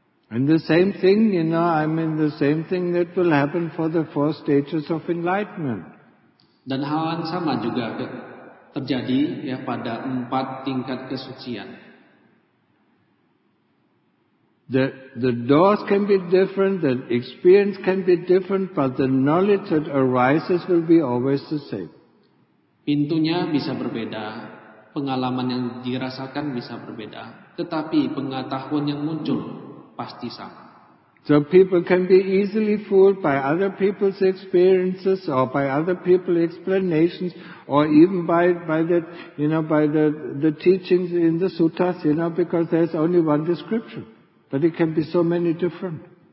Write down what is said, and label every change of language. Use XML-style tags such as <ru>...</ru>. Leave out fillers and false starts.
<en>And the same thing, you know, I mean the same thing that will happen for the four stages of enlightenment.</en> <id>Dan hal yang sama juga terjadi ya pada 4 tingkat kesucian.</id> <en>The doors can be different, the experience can be different, but the knowledge that arises will be always the same.</en> <id>Pintunya bisa berbeda, pengalaman yang dirasakan bisa berbeda, tetapi pengetahuan yang muncul pasti sama.</id> <en>So people can be easily fooled by other people's experiences or by other people's explanations or even by the teachings in the suttas, you know, because there's only one description. But it can be so many different.</en>